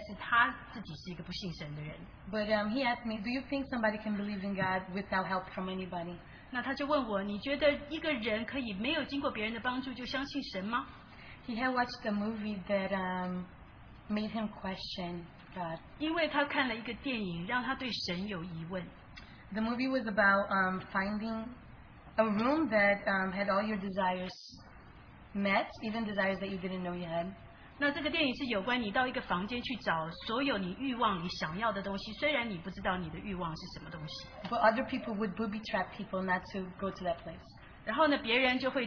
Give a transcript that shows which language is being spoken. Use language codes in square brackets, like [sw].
[zh] 哦，那我当我跟他讲我是个基督徒的时候，虽然这个人他有基督徒的朋友是在乐团里面，但是他自己是一个不信神的人。 [en] But he asked me, "Do you think somebody can believe in God without help from anybody?" [zh] 那他就问我，你觉得一个人可以没有经过别人的帮助就相信神吗？ [en] He had watched a movie that made him question God. [zh] 因为他看了一个电影，让他对神有疑问。 [en] The movie was about finding a room that had all your desires met, even desires that you didn't know you had. [zh] 那这个电影是有关你到一个房间去找所有你欲望、你想要的东西，虽然你不知道你的欲望是什么东西。 [en] But other people would booby trap people not to go to that place.